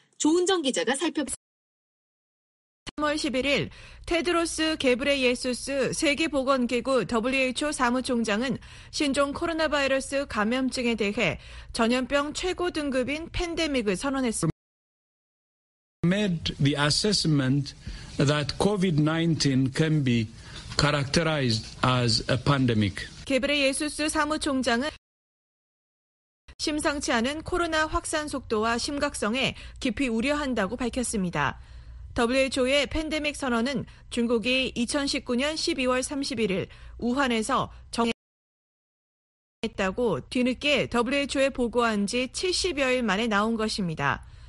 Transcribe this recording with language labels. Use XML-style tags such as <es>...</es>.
<ko>조은정 기자가 3월 11일 테드로스 게브레예수스 세계보건기구 WHO 사무총장은 신종 코로나 바이러스 감염증에 대해 전염병 최고 등급인 팬데믹을 선언했습니다.</ko> <en>Made the assessment that COVID-19 can be characterized as a pandemic.</en> <ko>게브레예수스 사무총장은 심상치 않은 코로나 확산 속도와 심각성에 깊이 우려한다고 밝혔습니다. WHO의 팬데믹 선언은 중국이 2019년 12월 31일 우한에서 정했다고 뒤늦게 WHO에 보고한 지 70여일 만에 나온 것입니다.</ko>